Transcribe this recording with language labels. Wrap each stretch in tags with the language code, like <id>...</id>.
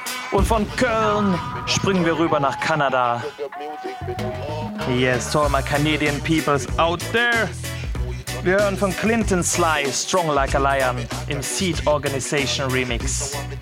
<de>Und von Köln springen wir rüber nach Kanada.</de> <en>Yes, to all my Canadian peoples out there.</en> <de>Wir hören von Clinton Sly, Strong Like a Lion, im Seed Organization Remix.</de>